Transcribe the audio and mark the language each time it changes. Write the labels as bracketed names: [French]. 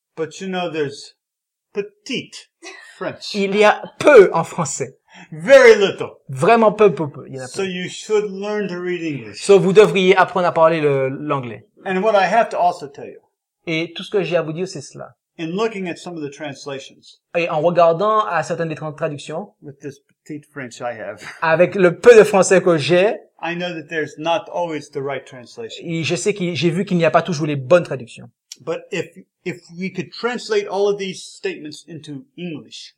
[English] But you know there's petite French. [French] Il y a peu en français. [English] Very little. [French] Vraiment peu. Il y en a [English] so [French] peu. [English] You should learn to read English. [French] So vous devriez apprendre à parler l'anglais. [English] And what I have to also tell you. [French] Et tout ce que j'ai à vous dire, c'est cela. [English] In looking at some of the translations. [French] Et en regardant à certaines des traductions. [English] With this petite French I have. [French] Avec le peu de français que j'ai. [English] I know that there's not always the right translation. [French] Et je sais j'ai vu qu'il n'y a pas toujours les bonnes traductions. [English] But if we could translate all of these statements into English.